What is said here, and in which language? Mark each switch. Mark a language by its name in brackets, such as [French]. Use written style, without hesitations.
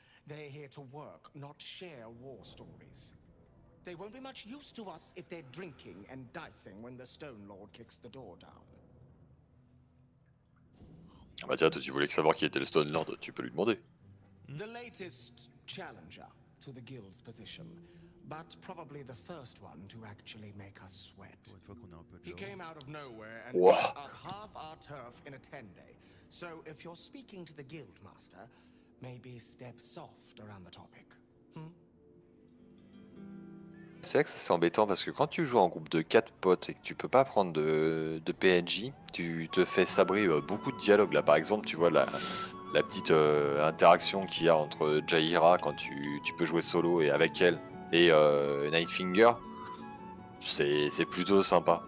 [English] They're here to work, not share war stories. They won't be much use to us if they're drinking and dicing when the Stone Lord kicks the door down. [French] Ah bah tiens, tu voulais savoir qui était le Stone Lord, tu peux lui demander. [English] The latest challenger to the Guild's position, but probably the first one to actually make us sweat. He came out of nowhere and picked up half our turf in a 10-day. So if you're speaking to the Guild Master, maybe step soft around the topic. [French] C'est vrai que c'est embêtant parce que quand tu joues en groupe de 4 potes et que tu peux pas prendre de PNJ, tu te fais sabrer beaucoup de dialogues. Là, par exemple, tu vois la petite interaction qu'il y a entre Jaira quand tu peux jouer solo et avec elle, et Nightfinger, c'est plutôt sympa.